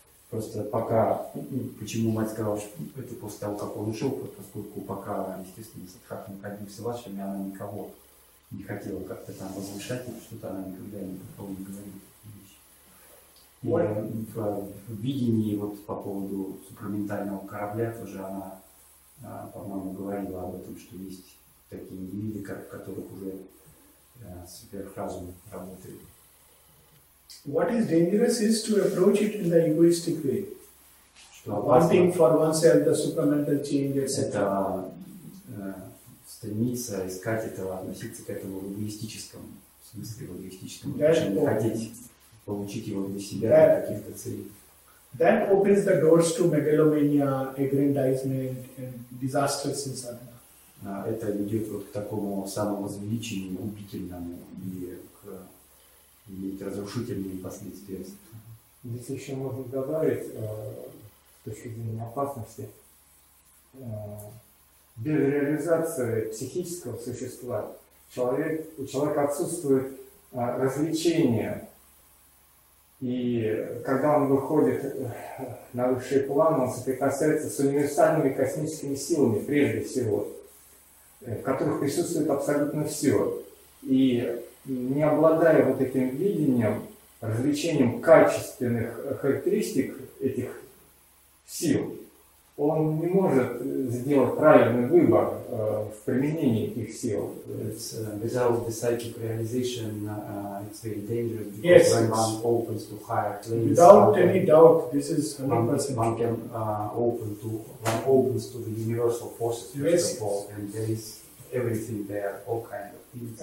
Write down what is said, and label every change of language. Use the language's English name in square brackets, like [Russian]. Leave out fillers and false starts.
[Russian] Просто пока, почему мать сказала, что это после того, как он ушел, поскольку пока, естественно, Садхак находился в ашраме, она никого не хотела как-то там возвышать, что-то она никогда никого не говорит. В видении вот по поводу супраментального корабля тоже она, по-моему, говорила об этом, что есть такие индивиды, в которых уже сверхразум работает. [English] What is dangerous is to approach it in the egoistic way. Wanting for oneself the supramental change, etc. [Russian] Стремиться искать этого, относиться к этому в эгоистическом, в смысле в эгоистическом отношении, хотеть получить его для себя, для каких-то целей. [English] That opens the doors to megalomania, aggrandizement and disastrous in sadhana. [Russian] Это ведет вот к такому самовозвеличению, губительному и к разрушительным последствиям. Здесь еще можно добавить, с точки зрения опасности, без реализации психического существа у человека отсутствует развлечение. И когда он выходит на высший план, он соприкасается с универсальными космическими силами, прежде всего, в которых присутствует абсолютно все. И не обладая вот этим видением, развлечением качественных характеристик этих сил, он не может сделать правильный выбор в применении этих сил. [English] Without the psychic realization, it's very dangerous because yes, when one opens to higher planes, without any doubt, this is 100%. One opens to the universal forces, yes, first of all, and there is everything there, all kinds of things.